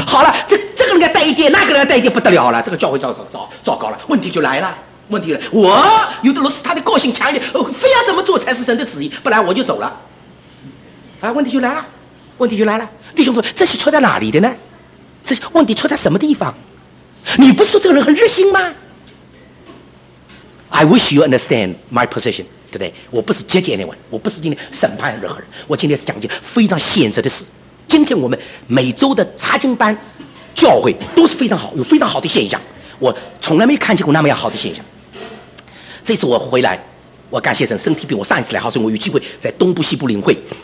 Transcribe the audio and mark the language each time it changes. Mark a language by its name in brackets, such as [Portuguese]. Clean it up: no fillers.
[Chinese] 好了，这个人该带一点，那个人带一点，不得了了，这个教会糟糕了，问题就来了，问题就来了。我有的老师他的个性强一点，非要这么做才是神的旨意，不然我就走了。问题就来了，弟兄说这是出在哪里的呢？这是问题出在什么地方？你不是说这个人很热心吗？ [English] I wish you understand my position today. [Chinese] 我不是接近 anyone， 我不是今天审判任何人，我今天是讲一件非常现实的事。今天我们每周的查经班教会都是非常好，有非常好的现象，我从来没看见过那么样好的现象。这次我回来，我感谢神，身体比我上一次来好，所以我有机会在东部西部领会。